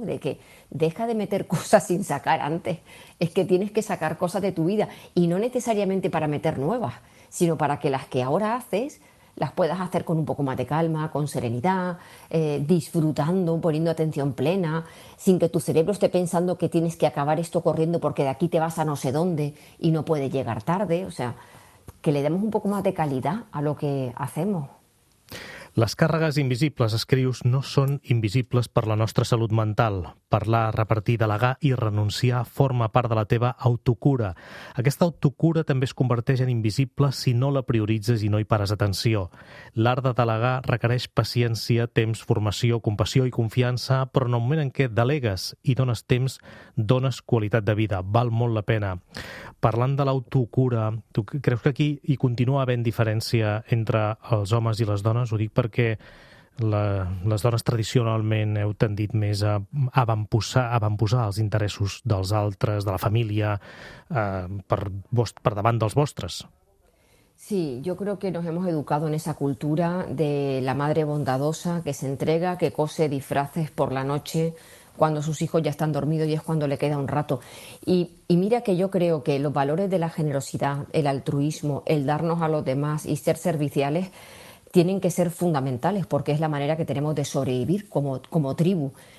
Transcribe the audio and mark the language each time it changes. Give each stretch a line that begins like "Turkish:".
Spanish: De que deja de meter cosas sin sacar antes. Es que tienes que sacar cosas de tu vida y no necesariamente para meter nuevas, sino para que las que ahora haces las puedas hacer con un poco más de calma, con serenidad, disfrutando, poniendo atención plena, sin que tu cerebro esté pensando que tienes que acabar esto corriendo porque de aquí te vas a no sé dónde y no puedes llegar tarde. O sea, que le demos un poco más de calidad a lo que hacemos.
Catalan: Les càrregues invisibles, escrius, no són invisibles per la nostra salut mental. Parlar, repartir, delegar i renunciar forma part de la teva autocura. Aquesta autocura també es converteix en invisible si no la prioritzes i no hi pares atenció. L'art de delegar requereix paciència, temps, formació, compassió i confiança, però en el moment en què delegues i dones temps, dones qualitat de vida. Val molt la pena. Parlant de l'autocura, tu creus que aquí hi continua havent diferència entre els homes i les dones? Ho dic perquè les dones tradicionalment heu tendit més a avantposar els interessos dels altres, de la família, per davant dels vostres.
Spanish: Sí, yo creo que nos hemos educado en esa cultura de la madre bondadosa que se entrega, que cose disfraces por la noche cuando sus hijos ya están dormidos y es cuando le queda un rato. Y mira que yo creo que los valores de la generosidad, el altruismo, el darnos a los demás y ser serviciales tienen que ser fundamentales porque es la manera que tenemos de sobrevivir como tribu.